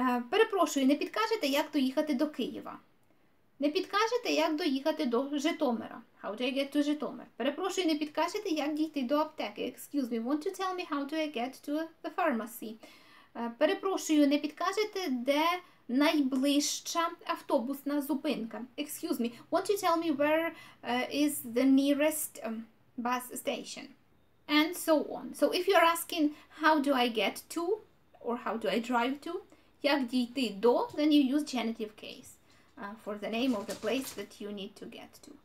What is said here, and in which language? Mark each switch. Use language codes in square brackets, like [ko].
[uk] Перепрошую, не підкажете, як доїхати до Києва? Не підкажете, як доїхати до Житомира? [en] How do I get to Житомир? [uk] Перепрошую, не підкажете, як дійти до аптеки? [en] Excuse me, won't you tell me how do I get to the pharmacy? [uk] Перепрошую, не підкажете, де найближча автобусна зупинка? [en] Excuse me, won't you tell me where is the nearest bus station, and so on. So if you're asking how do I get to, or how do I drive to, [uk] як дійти до, [en] then you use genitive case for the name of the place that you need to get to.